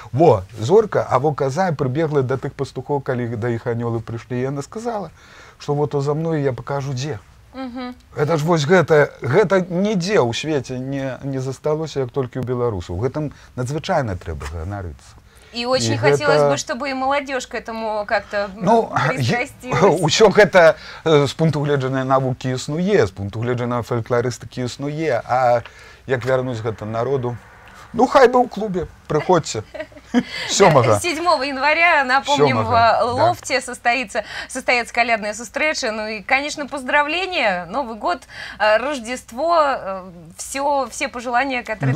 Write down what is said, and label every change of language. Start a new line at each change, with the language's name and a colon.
Belarusian: Во, зорка, а во каза прыбегла да тых пастухоў, калі да іх анёлы прыйшлі. І яна сказала, што во то за мною я пакажу дзе. Угу. Это ж вось гэта нідзе ў свеце не засталося, як толькі ў беларусаў. Гэтым надзвычайна трэба ганарыцца.
Russian: І очень хацелася бы, чтобы і маладзёж к этому как-то
Belarusian: прыстасцілася. Ну, усё гэта з пункту гледжання навукі існуе, з пункту гледжання фалькларыстыкі існуе, а як вярнуць гэта народу? Ну, хай бы ў клубе, прыходзьце.
Russian: 7 января, напомним, в Ловце состоится калядная встреча. Ну и, конечно, поздравления, Новый год, Рождество, все пожелания, которые